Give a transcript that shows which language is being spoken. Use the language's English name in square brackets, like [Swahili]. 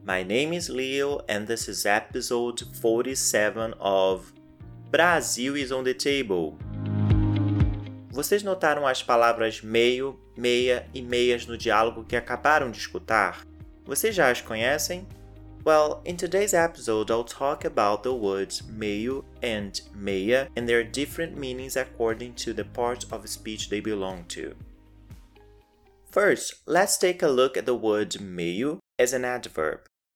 [English] My name is Leo and this is episode 47 of Brasil is on the Table. [Portuguese] Vocês notaram as palavras meio, meia e meias no diálogo que acabaram de escutar? Vocês já as conhecem? [English] Well, in today's episode, I'll talk about the words meio and meia and their different meanings according to the part of speech they belong to. First, let's take a look at the word meio as an adverb.